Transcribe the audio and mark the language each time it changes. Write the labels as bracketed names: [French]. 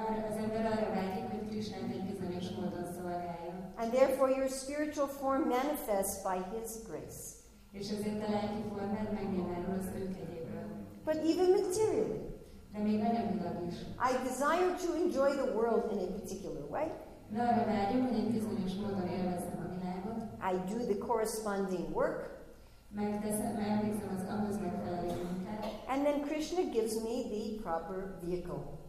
[Hungarian] Az ember arra vágyik, hogy Krishnát egy bizonyos módon szolgálja. [English] And therefore your spiritual form manifests by His grace. [Hungarian] És ezért a lelki formád megnyilvánul az ő kegyéből. [English] But even materially. [Hungarian] De még anyagilag is. [English] I desire to enjoy the world in a particular way. [Hungarian] Na, arra vágyom, hogy egy bizonyos módon élvezem. [English] I do the corresponding work. And then Krishna gives me the proper vehicle.